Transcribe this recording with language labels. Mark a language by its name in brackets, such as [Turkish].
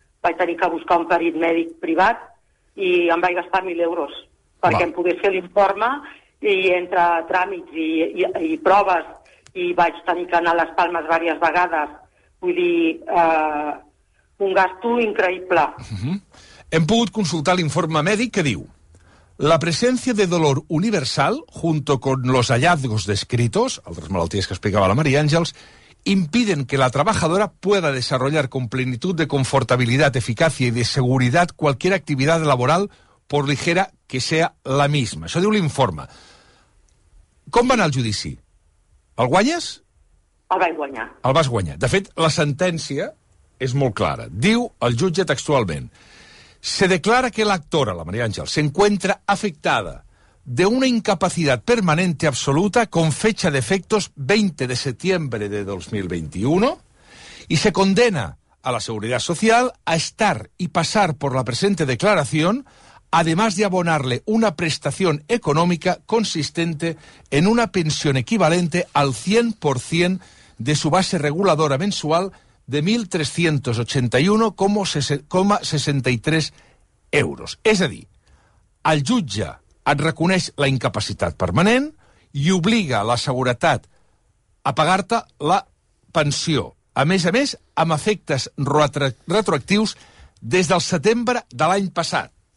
[Catalan] Vaig tenir que buscar un perit mèdic privat i em vaig gastar 1.000 euros. Perquè em pogués fer l'informe i entre tràmits i proves i vaig tenir que anar a les Palmes diverses vegades. Vull dir, un gasto increïble. Hem pogut consultar l'informe mèdic que diu la presència de dolor universal [Spanish] junto con los hallazgos descritos, [Catalan] altres malalties que explicava la Maria Àngels, [Spanish] impiden que la trabajadora pueda desarrollar con plenitud de confortabilidad, eficacia y de seguridad cualquier actividad laboral por ligera que sea la misma. [Catalan] Això diu l'informe. Com va anar el judici? El guanyes? El vaig guanyar. El vas guanyar. De fet, la sentència és molt clara. Diu el jutge textualment. [Spanish] Se declara que l'actora, la Maria Àngels, se encuentra afectada de una incapacidad permanente absoluta con fecha de efectos 20 de septiembre de 2021 y se condena a la Seguridad Social a estar y pasar por la presente declaración además de abonarle una prestación económica consistente en una pensión equivalente al 100% de su base reguladora mensual de 1.381,63 euros. [Catalan] És a dir, el jutge et reconeix la incapacitat permanent i obliga la seguretat a pagar-te la pensió. A més, amb efectes retroactius des del setembre de l'any passat.